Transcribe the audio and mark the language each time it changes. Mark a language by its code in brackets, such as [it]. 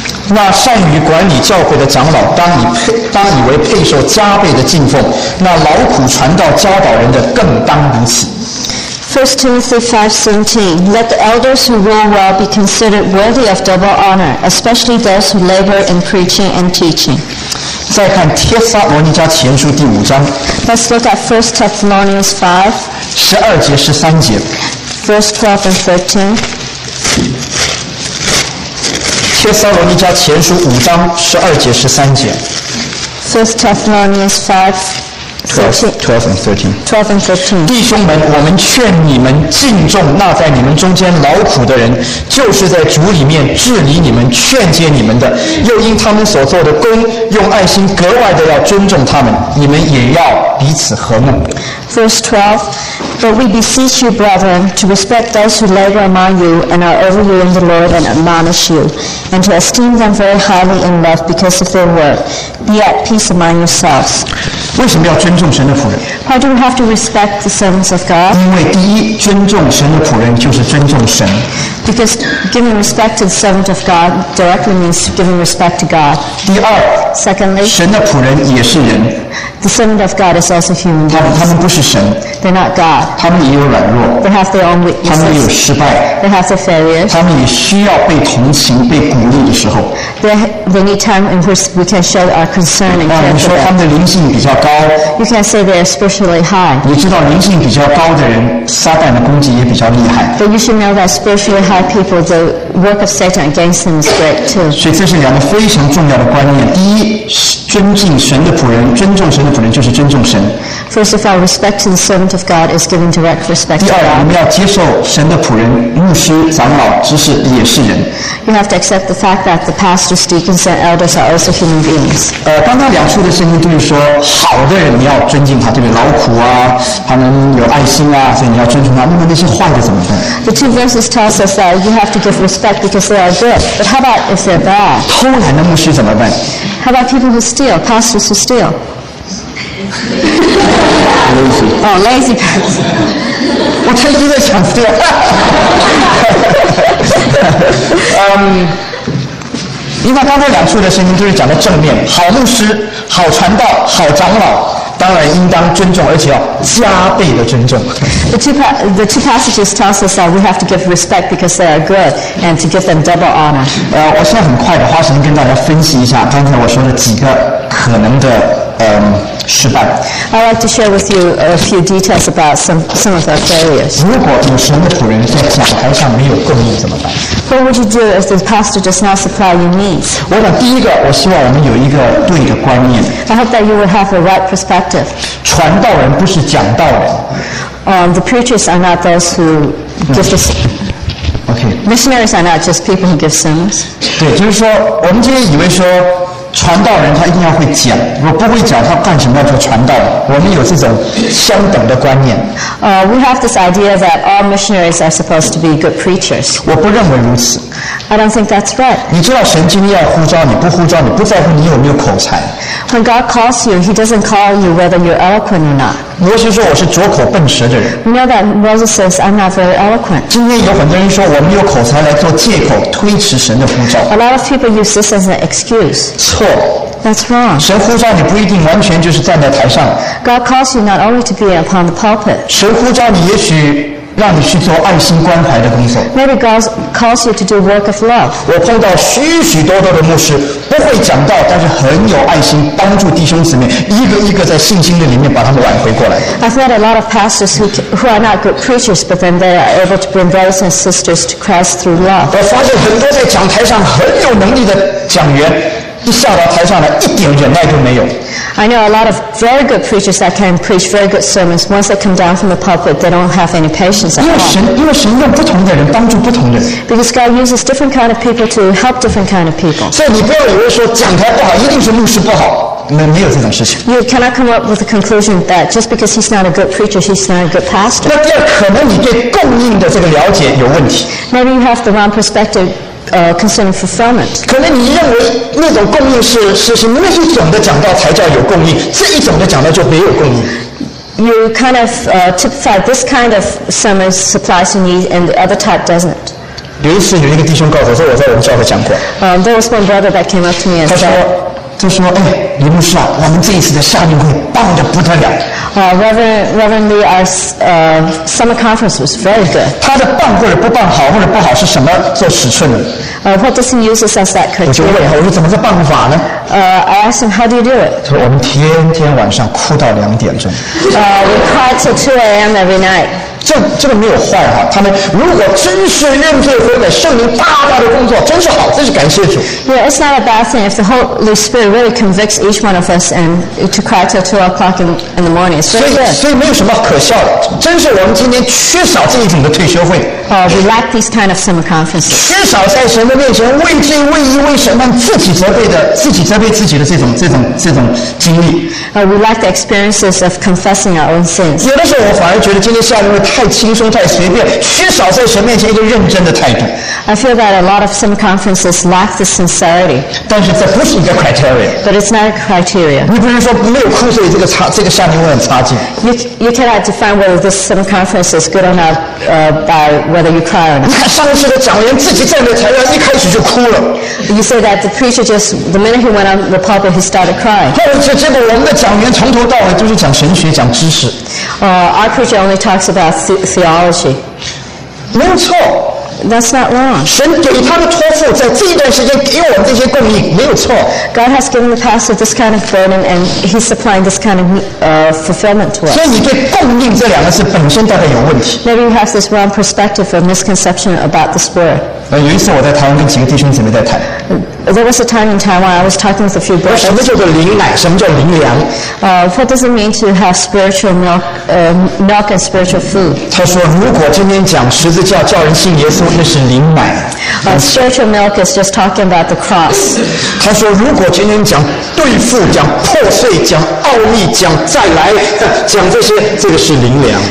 [en] That [zh] 善于管理教会的长老当以为配受加倍的敬奉，那劳苦传道教导人的更当如此。 [en] 1 Timothy 5:17, let the elders who rule well be considered worthy of double honor, especially those who labor in preaching and teaching. [zh] 再看帖撒罗尼迦前书第五章。 [en] Let's look at 1 Thessalonians 5. [zh] 十二节十三节。 [en] Verse 12 and 13. [zh] 帖撒罗尼迦前书五章十二节十三节。 [en] First Thessalonians 5:12-13. [zh] 弟兄们，我们劝你们敬重那在你们中间劳苦的人，就是在主里面治理你们、劝诫你们的，又因他们所做的功，用爱心格外的要尊重他们，你们也要彼此和睦。 [en] Verse 12, but we beseech you, brethren, to respect those who labor among you and are over you in the Lord and admonish you, and to esteem them very highly in love because of their work. Be at peace among yourselves. [zh] 为什么要尊重神的仆人？ [en] Why do we have to respect the servants of God? [zh] 因为第一，尊重神的仆人就是尊重神。 [en] Because giving respect to the servant of God directly means giving respect to God. [zh] 第二， [en] Secondly, [zh] 神的仆人也是人。 [en] The servant of God is also human. [zh] 他们不是神。 [en] They're not God. [zh] 他们也有软弱。 [en] They have their own weaknesses. [zh] 他们有失败。 [en] They have their failures. [zh] 他们也需要被同情、被鼓励的时候。 [en] They need time in which we can show our concern and care. [zh] 那你说他们的灵性比较高 [en] ？You can say they are spiritually high. [zh] 你知道灵性比较高的人，撒旦的攻击也比较厉害。 [en] But you should know that spiritually high people, the work of Satan against them is great too. [zh] 所以这是两个非常重要的观念。第一，尊敬神的仆人，尊重神的仆人就是尊重神。 [en] First of all, respect to the servant of God is giving direct respect to God. [zh] 第二，我们要接受神的仆人、牧师、长老、执事也是人。 [en] You have to accept the fact that the pastors, deacons, and elders are also human beings. [zh] 刚刚两处的圣经都是说，好的人你要尊敬他，对不对？劳苦啊，他能有爱心啊，所以你要尊重他。那么那些坏的怎么办？ [en] The two verses tell us that you have to give respect because they are good. But how about if they're bad? [zh] 偷懒的牧师怎么办？ [en] How about people who steal, pastors who steal? Lazy. Oh, lazy person. [zh] 我趁机在想这个。因为刚才两处的声音都是讲的正面，好牧师、好传道、好长老，当然应当尊重，而且要加倍的尊重。 [en] The two passages tell us that we have to give respect because they are good and to give them double honor. [zh] 我现在很快的花时间跟大家分析一下刚才我说的几个可能的失败。 [en] I'd like to share with you a few details about some of our failures. [zh] 如果有神的仆人在讲台上没有供应怎么办？ [en] What would you do if the pastor does not supply your needs? [zh] 我想第一个，我希望我们有一个对的观念。 [en] I hope that you would have a right perspective. [zh] 传道人不是讲道人。 [en] The preachers are not those who give the Okay. Missionaries are not just people who give sermons. [zh] 对，就是说，我们今天以为说。传道人他一定要会讲，如果不会讲，他干什么要做传道？我们有这种相等的观念。 [en] We have this idea that all missionaries are supposed to be good preachers. [zh] 我不认为如此。 [en] I don't think that's right. [zh] 你知道神今天要呼召你，不呼召你，不在乎你有没有口才。 [en] When God calls you, He doesn't call you whether you're eloquent or not. [zh] 摩西说我是拙口笨舌的人。 [en] We know that Moses says I'm not very eloquent. [zh] 今天有很多人说我没有口才来做借口推迟神的呼召。 [en] A lot of people use this as an excuse. [zh] 错。 [en] That's wrong. [zh] 神呼召你不一定完全就是站在台上。 [en] God calls you not only to be upon the pulpit. [zh] 神呼召你也许。让你去做爱心关怀的工作。 [en] Maybe God calls you to do work of love. [zh] 我碰到许许多多的牧师，不会讲道，但是很有爱心，帮助弟兄姊妹，一个一个在信心的里面把他们挽回过来。 [en] I've met a lot of pastors who are not good preachers, but then they are able to bring brothers and sisters to Christ through love. [zh] 我发现很多在讲台上很有能力的讲员，一下到台上来，一点忍耐都没有。 [en] I know a lot of very good preachers that can preach very good sermons. Once they come down from the pulpit, they don't have any patience at all. [zh] 因为神用不同的人帮助不同的人。 [en] Because God uses different kind of people to help different kind of people. [zh] 所以你不要以为说讲台不好，一定是牧师不好。没有这种事情。 [en] You cannot come up with the conclusion that just because he's not a good preacher, he's not a good pastor. [zh] 那第二，可能你对供应的这个了解有问题。 [en] Maybe you have the wrong perspective. Concerning fulfillment. [zh] 可能你认为那种供应是那一种的讲道才叫有供应，这一种的讲道就没有供应。 [en] You kind of typify this kind of sermon supplies you need, and the other type doesn't. [zh] 有一次有一个弟兄告诉我，说我在我们教会讲过。 [en] There was one brother that came up to me and said. [zh] 他说就说哎，李牧师啊，我们这一次的夏令会棒得不得了。 [en] Reverend Lee, our summer conference was very good. [zh] 他的棒或者不棒好或者不好是什么做尺寸的？ [en] What does he use as that criteria? [zh] 我就问他，我说怎么个棒法呢？ [en] I asked him, how do you do it? [zh] 他说我们天天晚上哭到两点钟。 [en] We cry till 2 a.m. every night. [zh] 这个没有坏哈，他们如果真是认罪悔改，圣灵大大的工作，真是好，真是感谢主。 [en] Yeah, it's not a bad thing if the Holy Spirit really convicts each one of us and to cry till 2 o'clock in the morning. It's really good. [zh] 所以没有什么可笑的，真是我们今天缺少这一种的退休会。 [en] We lack these kind of summer conferences. [zh] 缺少在神的面前为罪为义为审判自己责备的自己责备自己的这种经历。 [en] We lack the experiences of confessing our own sins. [zh] 有的时候我反而觉得今天下午太轻松太随便，缺少在神面前一个认真的态度。 [en] I feel that a lot of summer conferences lack the sincerity. [zh] 但是这不是一个 criteria. [en] But it's not a criteria. [zh] 你不能说没有哭所以这个夏令会很差劲。 [en] You cannot define whether this summer conference is good or not by whether you cry or not. [zh] 你看上次的讲员自己站在台上一开始就哭了。 [en] You say that the preacher just the minute he went on the pulpit he started crying. [zh] 后来结果我们的讲员从头到尾就是讲神学讲知识。 [en] Our preacher only talks about theology. [zh] 没错。 [en] That's not wrong. [zh] 神给他的托付，在这一段时间给我们这些供应，没有错。 [en] God has given the pastor this kind of burden, and He's supplying this kind of fulfillment to us. [zh] 所以你对供应这两个字本身大概有问题。 [en] Maybe you have this wrong perspective or misconception about this word. [zh] 有一次我在台湾跟几个弟兄姊妹在谈。 [en] There was a time in Taiwan I was talking with a few brothers. [zh] 什么叫做灵奶？什么叫灵粮？ [en] What does it mean to have spiritual milk, milk and spiritual food? [zh] 他说，如果今天讲十字架，叫人信耶稣，那是灵奶。 [en] Spiritual milk is just talking about the cross. [zh] 他说，如果今天讲对付、讲破碎、讲奥秘、讲再来、讲这些，这个是灵粮。